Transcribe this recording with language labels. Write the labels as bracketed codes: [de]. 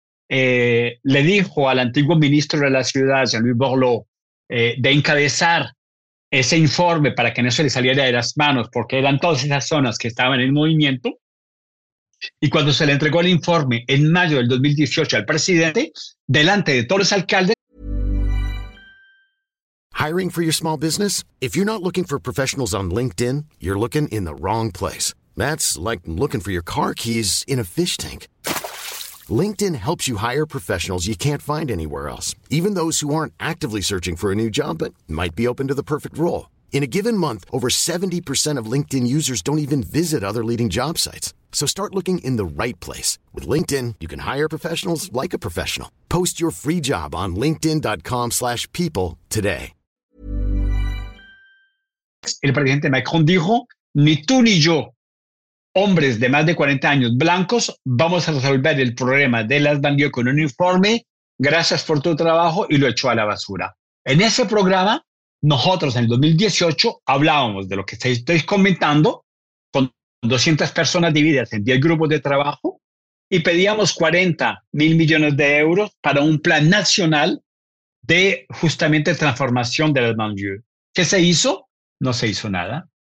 [es] Le dijo al antiguo ministro de la ciudad, Jean-Louis Borloo, de encabezar ese informe para que no se le saliera de las manos, porque eran todas esas zonas que estaban en movimiento. Y cuando se le entregó el informe en mayo del 2018 al presidente, delante de todos los alcaldes. [en] Hiring for your small business? If you're not looking for professionals on LinkedIn, you're looking in the wrong place. That's like looking for your car keys in a fish tank. LinkedIn helps you hire professionals you can't find anywhere else, even those who aren't actively searching for a new job but might be open to the perfect role. In a given month, over 70% of LinkedIn users don't even visit other leading job sites. So start looking in the right place. With LinkedIn, you can hire professionals like a professional. Post your free job on linkedin.com/people today. [es] El presidente Macron dijo, ni tú ni yo, hombres de más de 40 años blancos, vamos a resolver el problema de las banlieues con un informe. Gracias por tu trabajo, y lo echó a la basura. En ese programa, nosotros en el 2018 hablábamos de lo que estáis comentando, con 200 personas divididas en 10 grupos de trabajo, y pedíamos 40 mil millones de euros para un plan nacional de justamente transformación de las banlieues. ¿Qué se hizo? No se hizo nada.